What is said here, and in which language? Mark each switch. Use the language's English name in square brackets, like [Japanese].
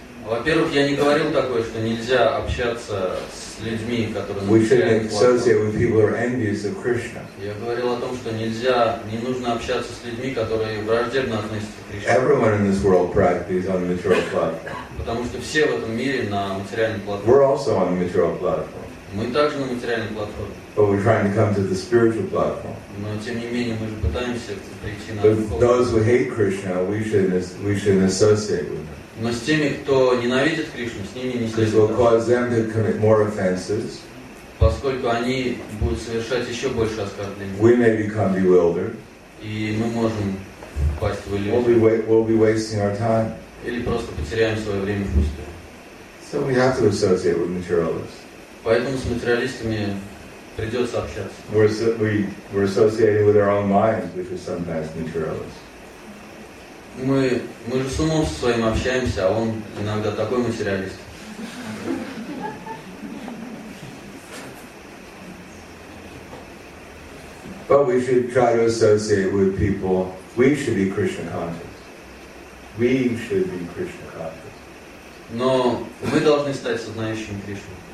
[Russian] Во-первых, я не говорил такое, что нельзя общаться с людьми, которые. [English] We shouldn't associate with people who are envious of Krishna. [Russian] Я говорил о том, что нельзя, не нужно общаться с людьми, которые враждебно относятся к Кришне. [English] Everyone in this world practices on the material platform. [Russian] Потому что все в этом мире на материальной платформе. [English] We're also on the material platform. [Russian] Мы также на материальной платформе. [English] But we're trying to come to the spiritual platform. [Russian] Но тем не менее мы же пытаемся прийти на. [English] But those who hate Krishna, we shouldn't associate with them. [Russian] Но с теми, кто ненавидит Кришну, с ними не следует. [English] Because we'll cause them to commit more offenses. [Russian] Поскольку они будут совершать еще больше оскорблений. [English] We may become bewildered. [Russian] И мы можем впасть в иллюзию. [English] We'll be wasting our time. [Russian] Или просто потеряем свое время впустую. [English] So we have to associate with materialists. [Russian] Поэтому с материалистами придется общаться. [English] We're associating with our own minds, which is sometimes materialist. [Russian] Мы же с умом со своим общаемся, а он иногда такой материалист. [English] But we should try to associate with people. We should be Krishna conscious. We should be Krishna conscious. [Russian] Но мы должны стать сознающим Кришну.